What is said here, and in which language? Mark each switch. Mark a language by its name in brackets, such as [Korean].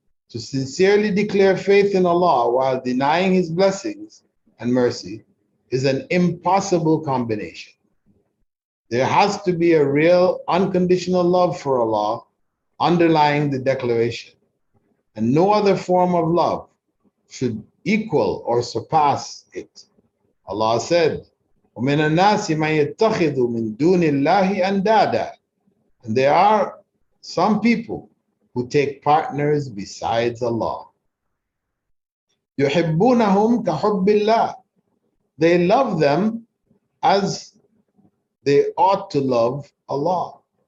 [English] To sincerely declare faith in Allah while denying His blessings and mercy is an impossible combination. There has to be a real unconditional love for Allah underlying the declaration, and no other form of love should equal or surpass it. Allah said, [Arabic] وَمِنَ النَّاسِ مَنْ يَتَّخِذُ مِنْ دُونِ اللَّهِ أَنْدَادًا. [English] And there are some people who take partners besides Allah. [Arabic] يُحِبُّونَهُمْ كَحُبِّ اللَّهِ. [English] They love them as they ought to love Allah.